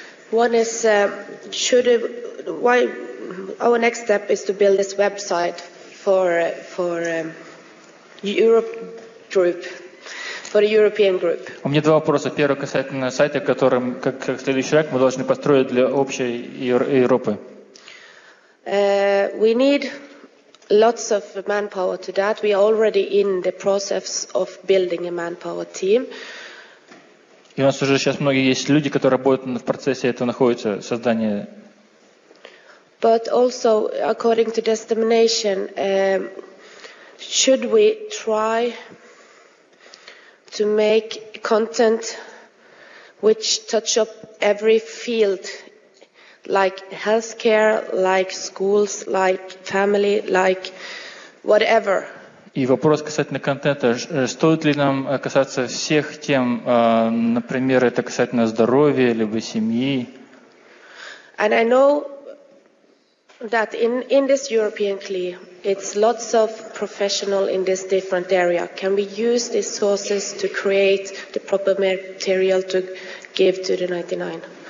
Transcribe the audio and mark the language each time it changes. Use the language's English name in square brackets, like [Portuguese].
[English] One is, why our next step is to build this website for a European group. [Russian] У меня два вопроса. Первый касательно сайта, которым, как следующий шаг, мы должны построить для общей Европы. [English] We need lots of manpower to that. We are already in the process of building a manpower team. [Russian] И у нас уже сейчас многие есть люди, которые работают в процессе этого находятся создания. [English] But also, according to the estimation, should we try to make content which touch up every field? Like healthcare, like schools, like family, like whatever. [Russian] И вопрос касательно контента. Стоит ли нам касаться всех тем, например, это касательно здоровья, либо семьи? [English] And I know that in this European CLE, it's lots of professional in this different area. Can we use these sources to create the proper material to give to the 99?